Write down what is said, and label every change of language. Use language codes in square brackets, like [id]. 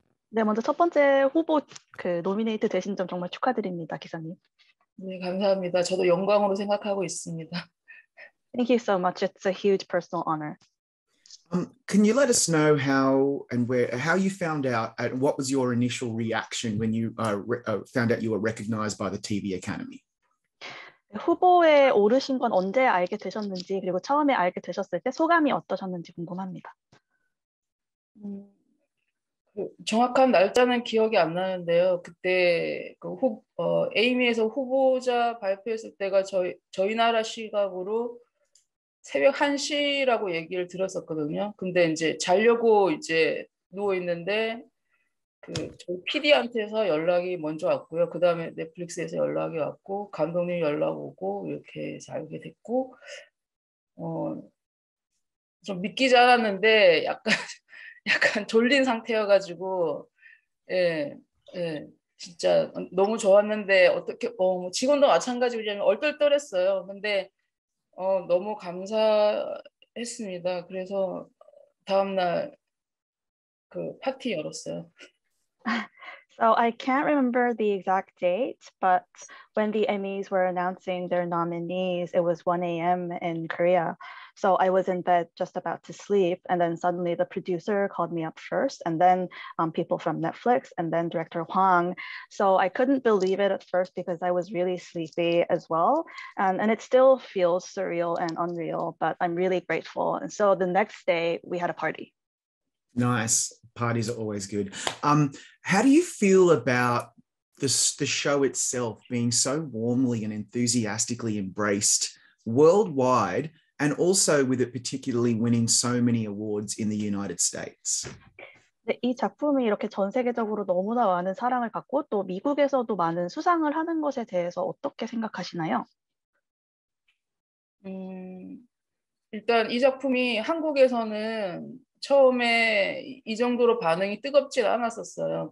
[ko] 네, 먼저 첫 번째 후보 그 노미네이트 되신 점 정말 축하드립니다, 기사님. 네, 감사합니다. 저도 영광으로 생각하고 있습니다. [en] Thank you so much. It's a huge personal honor. Can you let us know how you found out and what was your initial reaction when you found out you were recognized by the TV Academy? [ko] 후보에 오르신 건 언제 알게 되셨는지 그리고 처음에 알게 되셨을 때 소감이 어떠셨는지 궁금합니다. 정확한 날짜는 기억이 안 나는데요. 그때 그 에이미에서 후보자 발표했을 때가 저희 나라 시각으로 새벽 1시라고 얘기를 들었었거든요. 근데 이제 자려고 이제 누워 있는데 그 저희 PD한테서 연락이 먼저 왔고요. 그다음에 넷플릭스에서 연락이 왔고 감독님 연락 오고 이렇게 알게 됐고 좀 믿기지 않았는데 약간 졸린 상태여가지고 예, 진짜 너무 좋았는데 어떻게 직원도 마찬가지로 얼떨떨했어요. 근데 너무 감사했습니다. 그래서 다음날 그 파티 열었어요. [en] So I can't remember the exact date, but when the Emmys were announcing their nominees, it was 1 a.m. in Korea. So I was in bed just about to sleep, and then suddenly the producer called me up first, and then people from Netflix, and then director Hwang. So I couldn't believe it at first because I was really sleepy as well. And it still feels surreal and unreal, but I'm really grateful. And so the next day we had a party. Nice. Parties are always good. How do you feel about the show itself being so warmly and enthusiastically embraced worldwide, and also with it particularly winning so many awards in the United States? [ko] 네, 이 작품이 이렇게 전 세계적으로 너무나 많은 사랑을 받고 또 미국에서도 많은 수상을 하는 것에 대해서 어떻게 생각하시나요? 일단 이 작품이 한국에서는 처음에 이 정도로 반응이 뜨겁진 않았었어요.